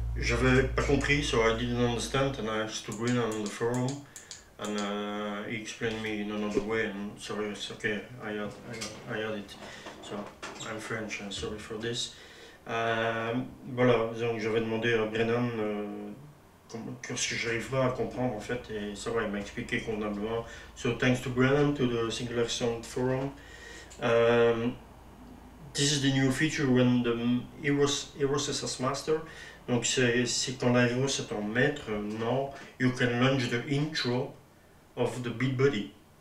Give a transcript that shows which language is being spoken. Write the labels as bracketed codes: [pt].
[fr] J'avais pas compris, [en] so I didn't understand, and I asked to bring on the forum. And he explained me in another way, and sorry, it's okay, I had it. So, I'm French, and sorry for this. [fr] Voilà, donc j'avais demandé à Brennan que j'arrive pas à comprendre, en fait, et ça va, il m'a expliqué convenablement. [en] So, thanks to Brennan, to the Singular Sound Forum. This is the new feature when the Eros is a master. [fr] Donc, c'est quand l'Eros est un maître, non, [en] you can launch the intro of the BeatBuddy.